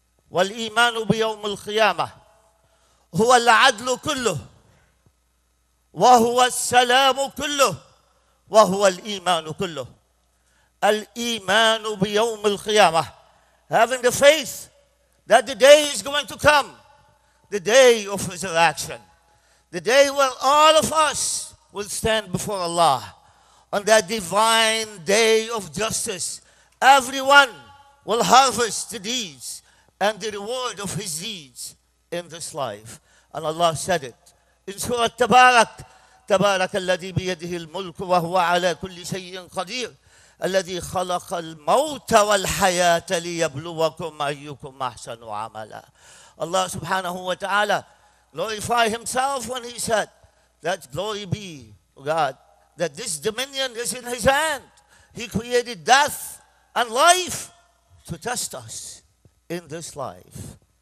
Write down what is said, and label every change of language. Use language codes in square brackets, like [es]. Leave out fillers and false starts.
[ar] والإيمان بيوم القيامة هو العدل كله وهو السلام كله وهو الإيمان كله. الإيمان بيوم القيامة, [en] having the faith that the day is going to come, the day of resurrection, the day where all of us will stand before Allah on that divine day of justice. Everyone will harvest the deeds and the reward of his deeds in this life. And Allah said it in Surah Tabarak, [ar] تبارك الذي بيده الملك وهو على كل شيء قدير الذي خلق الموت والحياة ليبلوكم أيكم أحسن عملا. [en] Allah subhanahu wa ta'ala glorify himself when he said that glory be God that this dominion is in his hand. He created death and life to test us in this life.